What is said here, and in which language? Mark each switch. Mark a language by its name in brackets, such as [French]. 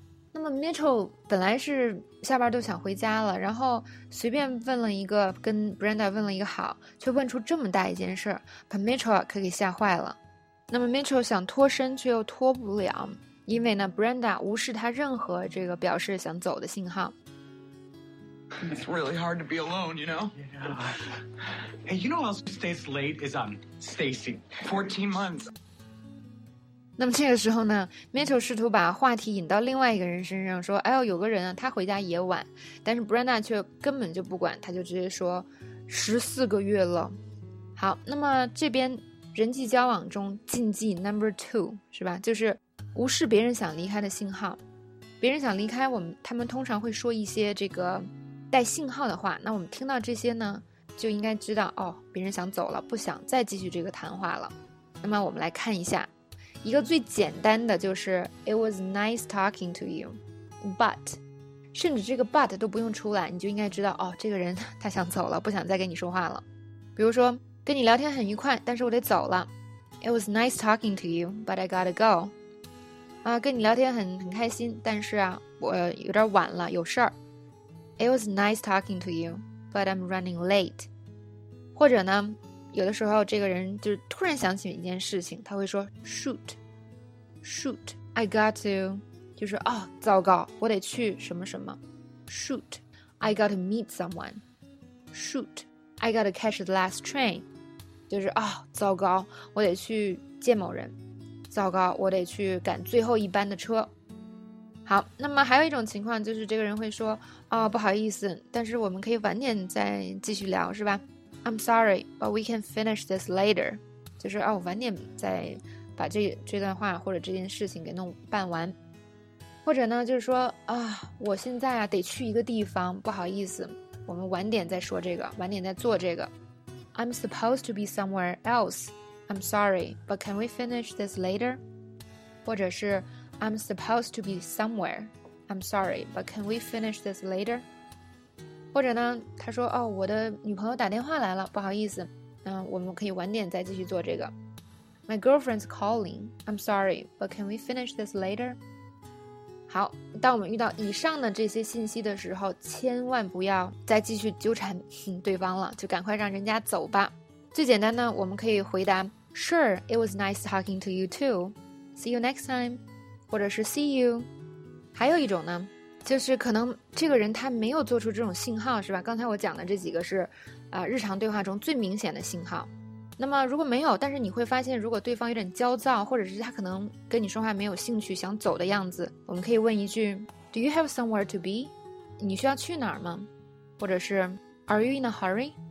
[Chinese] 那么 Mitchell 本来是下班都想回家了，然后随便问了一个，跟 Brenda 问了一个好，却问出这么大一件事，把 Mitchell 可给吓坏了。那么 Mitchell 想脱身却又脱不了，因为呢 Brenda 无视他任何这个表示想走的信号。 [English] It's really hard to be alone, you know? Yeah. Hey, you know who else stays late is Stacy. 14 months. [Chinese] 那么这个时候呢 ,Mitchell 试图把话题引到另外一个人身上，说哎呦有个人啊他回家也晚，但是 Brenda 却根本就不管，他就直接说14个月了。好，那么这边人际交往中禁忌 number two, 是吧，就是无视别人想离开的信号。别人想离开我们，他们通常会说一些这个带信号的话，那我们听到这些呢就应该知道，哦，别人想走了，不想再继续这个谈话了。那么我们来看一下，一个最简单的就是 [English] It was nice talking to you, but, [Chinese] 甚至这个 but 都不用出来，你就应该知道，哦，这个人他想走了，不想再跟你说话了。比如说跟你聊天很愉快，但是我得走了。 [English] It was nice talking to you, but I gotta go. [Chinese] 跟你聊天很开心，但是啊我有点晚了，有事儿。 [English] It was nice talking to you, but I'm running late. [Chinese] 或者呢，有的时候这个人就是突然想起一件事情，他会说 [English] shoot,I got to, [Chinese] 就是哦糟糕我得去什么什么。 [English] shoot,I got to meet someone,shoot,I got to catch the last train, [Chinese] 就是哦糟糕我得去见某人，糟糕我得去赶最后一班的车。好，那么还有一种情况，就是这个人会说哦不好意思，但是我们可以晚点再继续聊，是吧。 [English] I'm sorry, but we can finish this later. [Chinese] 就是啊，我晚点再把这段话或者这件事情给弄办完。或者呢，就是说啊，我现在啊得去一个地方，不好意思，我们晚点再说这个，晚点再做这个。 [English] I'm supposed to be somewhere else. I'm sorry, but can we finish this later? [Chinese] 或者是 [English] I'm supposed to be somewhere. I'm sorry, but can we finish this later? [Chinese] 或者呢他说哦我的女朋友打电话来了，不好意思，我们可以晚点再继续做这个。 [English] My girlfriend's calling, I'm sorry, but can we finish this later? [Chinese] 好，当我们遇到以上的这些信息的时候，千万不要再继续纠缠对方了，就赶快让人家走吧。最简单呢，我们可以回答 [English] Sure, it was nice talking to you too. See you next time. [Chinese] 或者是 [English] see you. [Chinese] 还有一种呢，就是可能这个人他没有做出这种信号，是吧，刚才我讲的这几个是日常对话中最明显的信号。那么如果没有，但是你会发现如果对方有点焦躁，或者是他可能跟你说话没有兴趣想走的样子，我们可以问一句 [English] Do you have somewhere to be? [Chinese] 你需要去哪儿吗？或者是 [English] Are you in a hurry?